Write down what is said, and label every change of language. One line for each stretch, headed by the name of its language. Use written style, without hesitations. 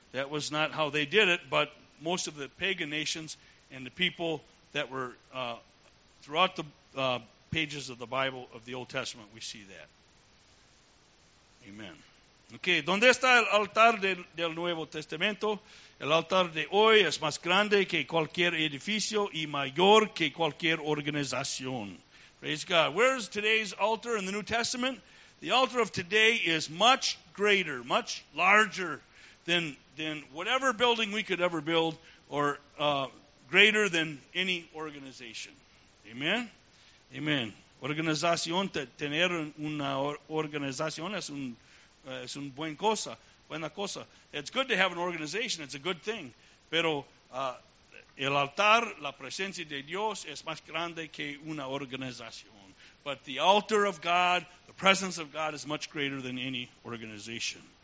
English: That was not how they did it, but most of the pagan nations and the people that were throughout the pages of the Bible of the Old Testament, we see that. Amen.
Spanish: Okay, ¿dónde está el altar del Nuevo Testamento? El altar de hoy es más grande que cualquier edificio y mayor que cualquier organización.
English: Praise God. Where's today's altar in the New Testament? The altar of today is much greater, much larger than whatever building we could ever build, or greater than any organization. Amen? Amen.
Spanish: Organización, tener una organización es un buen cosa, buena cosa.
English: It's good to have an organization. It's a good thing.
Spanish: Pero el altar, la presencia de Dios, es más grande que una organización.
English: But the altar of God, the presence of God, is much greater than any organization.